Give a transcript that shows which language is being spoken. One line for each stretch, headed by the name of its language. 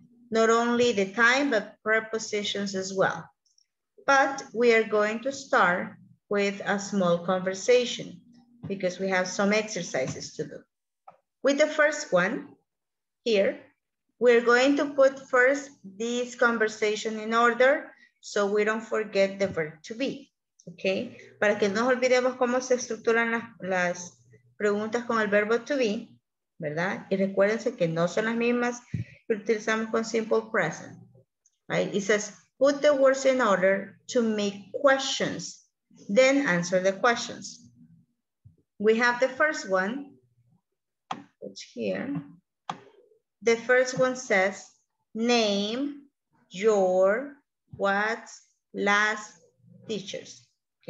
English: Not only the time, but prepositions as well. But we are going to start with a small conversation because we have some exercises to do. With the first one here, we're going to put first this conversation in order so we don't forget the verb to be, okay?
Spanish: Para que no olvidemos cómo se estructuran las preguntas con el verbo
English: to be,
Spanish: ¿verdad? Y recuérdense que no son las mismas utilizamos con simple present,
English: right? It says, put the words in order to make questions, then answer the questions. We have the first one, which here. The first one says, name, your, what, last, teachers, OK?